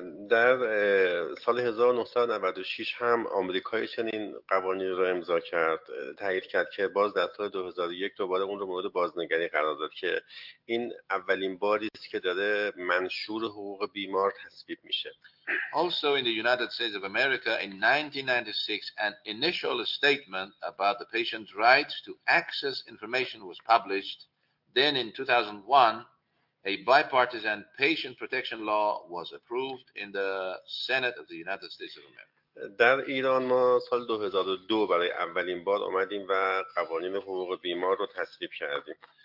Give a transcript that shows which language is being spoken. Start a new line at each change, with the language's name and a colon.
Persian: در سال 1996 هم آمریکای چنین قوانین رو امضا کرد، تایید کرد که باز در سال 2001 دوباره اون رو مورد بازنگری قرار داد که این اولین باری است که داره منشور حقوق بیمار تصویب میشه.
English: Also in the United States of America in 1996 an initial statement about the patient's rights to access information was published. Then in 2001 a bipartisan patient protection law was approved in the Senate of the United States of America.
Persian: در ایران ما سال 2002 برای اولین بار اومدیم و قوانین حقوق بیمار رو تصویب کردیم.